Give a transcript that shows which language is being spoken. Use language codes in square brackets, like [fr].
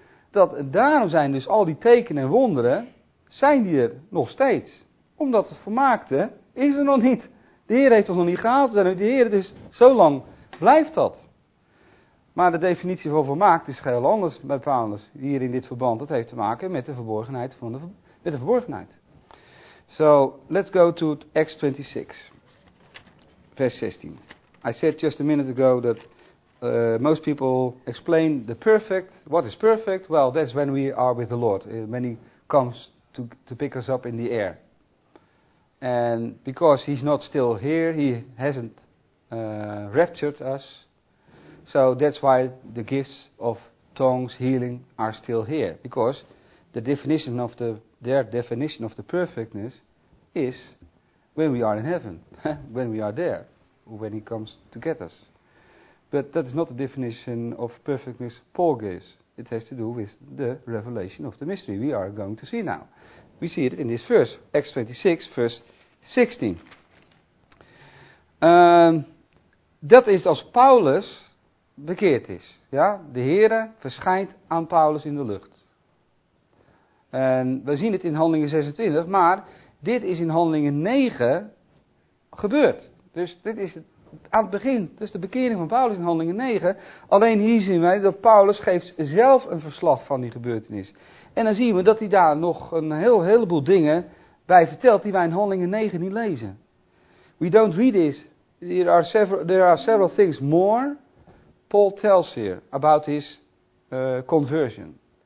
[nl] Dat daarom zijn dus al die tekenen en wonderen, zijn die er nog steeds. Omdat het volmaakte is er nog niet. De Heer heeft ons nog niet gehaald. En de Heer, dus zo lang blijft dat. Maar de definitie van volmaakt is heel anders bij Paulus. Hier in dit verband, dat heeft te maken met de verborgenheid. Met de verborgenheid. [en] So, let's go to Acts 26, vers 16. I said just a minute ago that most people explain the perfect. What is perfect? Well, that's when we are with the Lord. When he comes to pick us up in the air. And because he's not still here, he hasn't raptured us. So that's why the gifts of tongues, healing are still here. Because the definition of their definition of the perfectness is when we are in heaven. When we are there. When he comes to get us. But that is not the definition of perfectness Paul gives. It has to do with the revelation of the mystery we are going to see now. We see it in this verse, Acts 26, verse 16. [nl] Dat is als Paulus bekeerd is. Ja? De Heere verschijnt aan Paulus in de lucht. En we zien het in Handelingen 26, maar dit is in Handelingen 9 gebeurd. Dus dit is het. Aan het begin, dus de bekering van Paulus in Handelingen 9. Alleen hier zien wij dat Paulus geeft zelf een verslag van die gebeurtenis. En dan zien we dat hij daar nog een heleboel dingen bij vertelt die wij in Handelingen 9 niet lezen. [en] We don't read this. There are several things more Paul tells here about his conversion.